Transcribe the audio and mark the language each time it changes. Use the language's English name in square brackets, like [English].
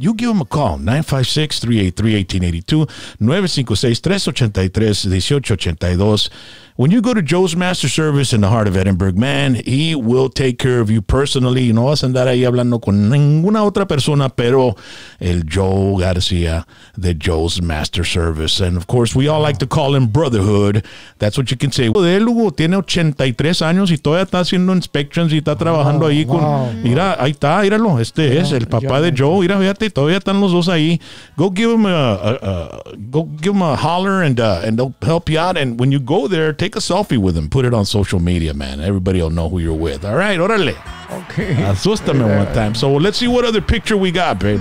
[English] You give him a call, 956-383-1882, 956-383-1882. When you go to Joe's Master Service in the heart of Edinburgh, man, he will take care of you personally. [Spanish] No vas a andar ahí hablando con ninguna otra persona, pero el Joe Garcia, the Joe's Master Service. [English] And, of course, we all like to call him Brotherhood. That's what you can say. [Spanish] Él, Hugo, tiene 83 años y todavía está haciendo inspections y está trabajando ahí con... Oh, mira, ahí está, míralo, este es el papá de Joe. Mira, fíjate, todavía están los dos ahí. [English] Go give him a holler and they'll help you out. And when you go there, take a selfie with him. Put it on social media, man. Everybody will know who you're with. All right, órale. Okay. [Spanish] Asústame one time. [English] So let's see what other picture we got, babe.